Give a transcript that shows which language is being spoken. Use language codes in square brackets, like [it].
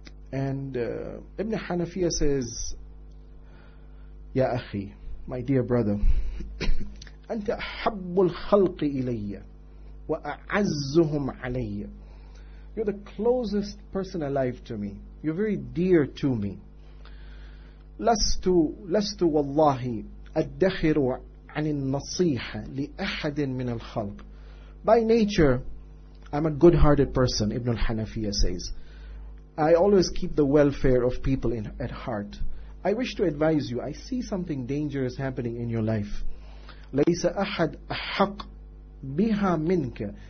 [en] And Ibn Hanafiyya says, [ar] Ya Akhi, [en] my dear brother, [ar] أنت أحب الخلق إلي وأعزهم علي. [en] You're the closest person alive to me. You're very dear to me. [ar] لست والله أدخر عن النصيحة لأحد من الخلق. [en] By nature, I'm a good-hearted person, Ibn al-Hanafiyya says. I always keep the welfare of people at heart. I wish to advise you. I see something dangerous happening in your life. [ar] لَيْسَ أَحَدْ أَحَقْ بِهَا مِنْكَ.